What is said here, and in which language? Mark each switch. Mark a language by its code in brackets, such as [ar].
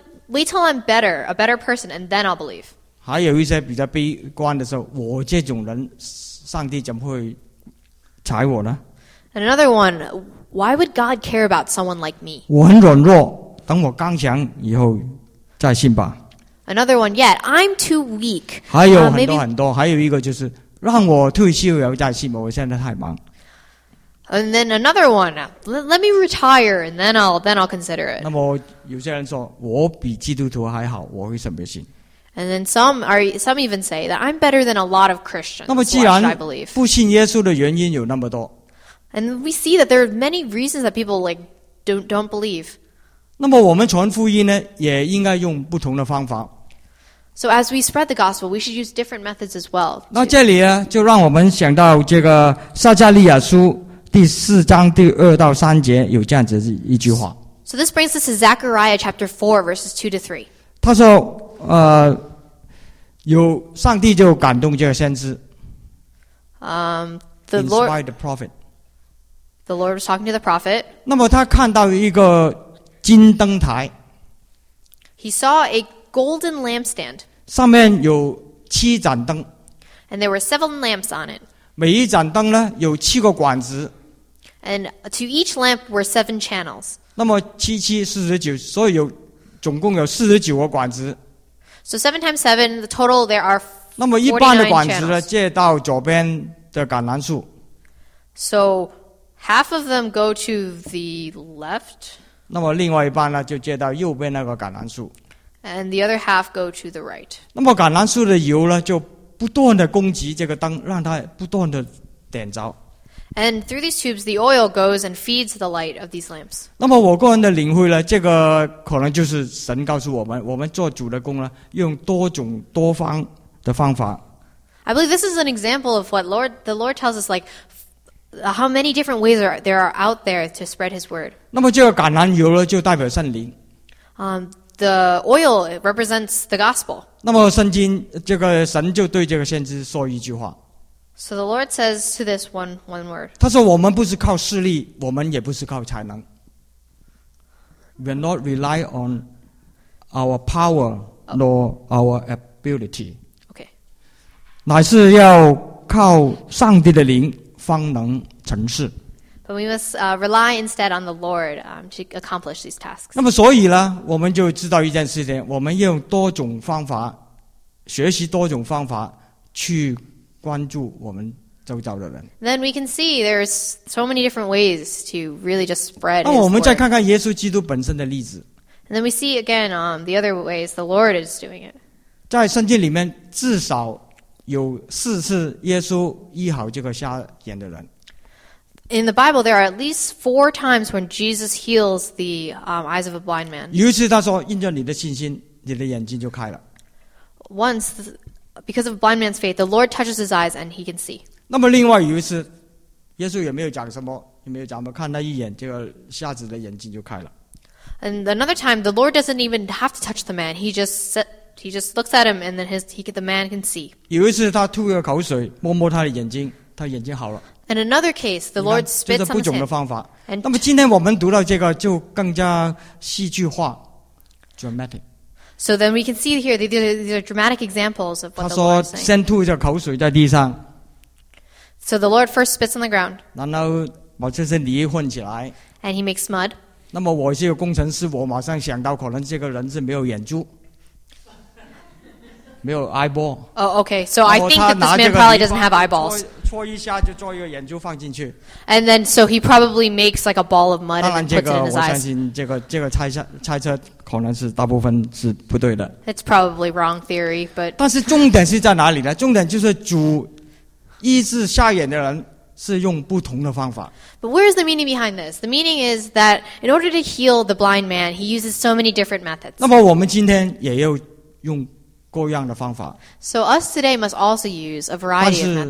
[en] Wait till I'm better, a better person, and then I'll believe. [zh] 还有一些比较悲观的时候，我这种人，上帝怎么会睬我呢？ [en] And another one, why would God care about someone like me? [zh] 我很软弱。等我刚强以后再信吧。 [en] Another one yet, I'm too weak. [zh] 还有很多很多，还有一个就是让我退休以后再信吧。我现在太忙。 [en] And then another one, let me retire and then I'll consider it. [zh] 那么有些人说我比基督徒还好，我为什么信 [en] ？And then some even say that I'm better than a lot of Christians. [zh] 那么既然不信耶稣的原因有那么多 [en] ，And we see that there are many reasons that people like don't believe. [zh] 那么我们传福音呢，也应该用不同的方法。 [en] So as we spread the gospel, we should use different methods as well. [zh] 那这里呢，就让我们想到这个撒迦利亚书第四章第二到三节有这样子一句话。 [en] So this brings us to Zechariah chapter 4, verses 2 to 3. [zh] 他说，有上帝就感动这个先知。 [en] The Lord inspired the prophet. The Lord was talking to the prophet. [zh] 那么他看到一个金灯台。 [en] He saw a golden lampstand. [zh] 上面有七盏灯。 [en] And there were seven lamps on it. [zh] 每一盏灯呢有七个管子。 [en] And to each lamp were seven channels. [zh] 那么七七四十九，所以有总共有四十九个管子。 [en] So seven times seven, the total there are 49 channels. [zh] 那么一半的管子呢接到左边的橄榄树。 [en] So half of them go to the left. [zh] 那么另外一半呢，就接到右边那个橄榄树。 [en] And the other half go to the right. [zh] 那么橄榄树的油呢，就不断的攻击这个灯，让它不断的点着。 [en] And through these tubes, the oil goes and feeds the light of these lamps. [zh] 那么我个人的领会呢，这个可能就是神告诉我们，我们做主的工呢，用多种多方的方法。 [en] I believe this is an example of what the Lord tells us like. How many different ways there are out there to spread His word? [zh] 那么这个橄榄油呢，就代表圣灵。 [en] The oil represents the gospel. [zh] 那么圣经这个神就对这个先知说一句话。 [en] So the Lord says to this one word. [zh] 他说：“我们不是靠势力，我们也不是靠才能。 [en] We are not rely on our power nor our ability. Okay. [zh] 乃是要靠上帝的灵。” 方能成事。 [en] But we must rely instead on the Lord to accomplish these tasks. [zh] 那么所以呢，我们就知道一件事情，我们用多种方法，学习多种方法去关注我们周遭的人。 [en] Then we can see there's so many different ways to really just spread His word. [zh] 我们再看看耶稣基督本身的例子。 [en] And then we see again the other ways the Lord is doing it. [zh] 在圣经里面至少有四次耶稣医好这个瞎眼的人。 [en] In the Bible, there are at least four times when Jesus heals the eyes of a blind man. [zh] 尤其他说因着你的信心你的眼睛就开了。 [en] Once, because of a blind man's faith, the Lord touches his eyes and he can see. [zh] 那么另外有一次耶稣也没有讲什么也没有讲什么看他一眼这个瞎子的眼睛就开了。 [en] And another time, the Lord doesn't even have to touch the man. He just looks at him and then the man can see. [zh] 有一次他吐个口水摸摸他的眼睛他眼睛好了。 [en] In another case, the Lord spits on him. [zh] 这是不同的方法。那么今天我们读到这个就更加戏剧化 ，dramatic. [en] So then we can see here these are dramatic examples of what the Lord is [zh] saying. 他说先吐一下口水在地上。 [en] So the Lord first spits on the ground. [zh] 然后把这些泥混起来。 [en] And he makes mud. [zh] 那么我是一个工程师，我马上想到可能这个人是没有眼珠。没有 eyeball. [en] Oh, okay. So I think that this man probably doesn't have eyeballs. [zh] 搓一下就做一个眼珠放进去。 [en] And then, so he probably makes like a ball of mud and puts it in his eyes. [zh] 我相信这个猜测可能是大部分是不对的。 [en] It's probably wrong theory, but. [zh] 但是重点是在哪里呢？重点就是主医治瞎眼的人是用不同的方法。 [en] But where is the meaning behind this? The meaning is that in order to heal the blind man, he uses so many different methods. [zh] 那么我们今天也要用。各样的方法。 [en] So us today must also use a variety of methods.